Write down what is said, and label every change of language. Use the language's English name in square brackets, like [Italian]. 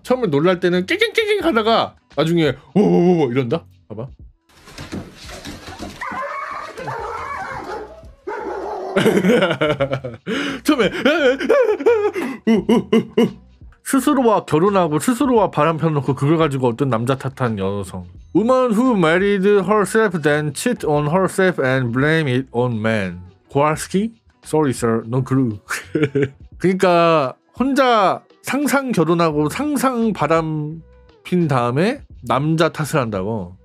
[Korean] 처음에 놀랄 때는 깨갱깨갱 하다가 나중에 오오오오 이런다? 봐봐. 처음에 스스로와 결혼하고 스스로와 바람 펴놓고 그걸 가지고 어떤 남자 탓한 여성. [English] Woman who married herself then cheat on herself and blame it on man. Kowalski? Sorry sir, no clue. [Korean] 그러니까 혼자 상상 결혼하고 상상 바람 핀 다음에 남자 탓을 한다고.